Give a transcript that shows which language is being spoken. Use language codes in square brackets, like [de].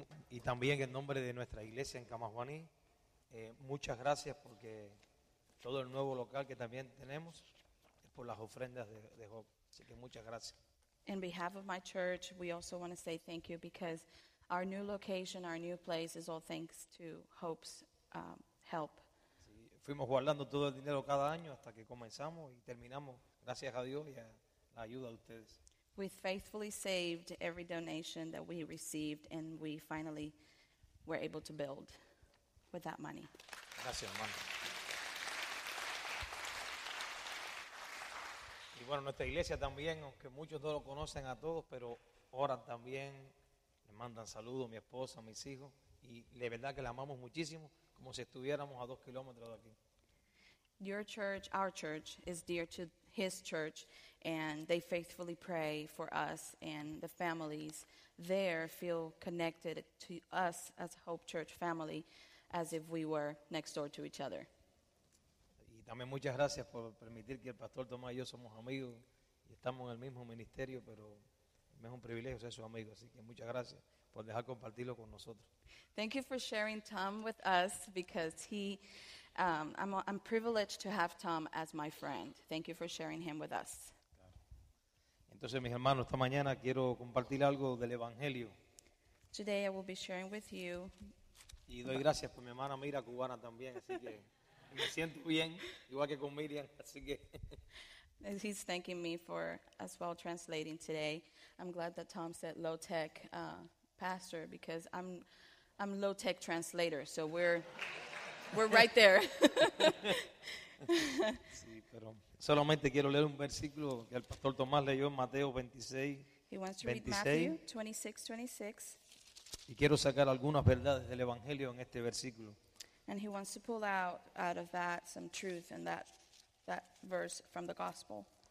[es] Y también en nombre de nuestra iglesia en Camajuaní, muchas gracias porque todo el nuevo local que también tenemos es por las ofrendas de Job. Así que muchas gracias. [en] In behalf of my church, we also want to say thank you because our new location, our new place is all thanks to Hope's help. [es] Sí, fuimos guardando todo el dinero cada año hasta que comenzamos y terminamos, gracias a Dios y a la ayuda de ustedes. [en] We faithfully saved every donation that we received, and we finally were able to build with that money. [es] Gracias, hermano. Y bueno, nuestra iglesia también, aunque muchos no lo conocen a todos, pero oran también, le mandan saludos a mi esposa, a mis hijos, y de verdad que la amamos muchísimo, como si estuviéramos a 2 kilómetros de aquí. [en] Your church, our church, is dear to his church, and they faithfully pray for us, and the families there feel connected to us as Hope Church family as if we were next door to each other. [es] Y también muchas gracias por permitir que el Pastor Tomás y yo somos amigos y estamos en el mismo ministerio, pero es un privilegio ser su amigo, así que muchas gracias por dejar compartirlo con nosotros. [en] Thank you for sharing Tom with us because I'm privileged to have Tom as my friend. Thank you for sharing him with us. [es] Entonces, mis hermanos, esta mañana quiero compartir algo del Evangelio. [en] Today I will be sharing with you. [es] Y doy gracias por mi hermana Mira, cubana también, así que me siento bien, igual que con Miriam, así que. [en] He's thanking me for as well translating today. I'm glad that Tom said low tech pastor, because I'm low tech translator, so we're right there. [es] Sí, pero solamente quiero leer un versículo que el pastor Tomás leyó en Mateo 26. [en] He wants to 26. Read Matthew 26:26. [es] Y quiero sacar algunas verdades del evangelio en este versículo. [en] And he wants to pull out of that some truth in that verse from the gospel.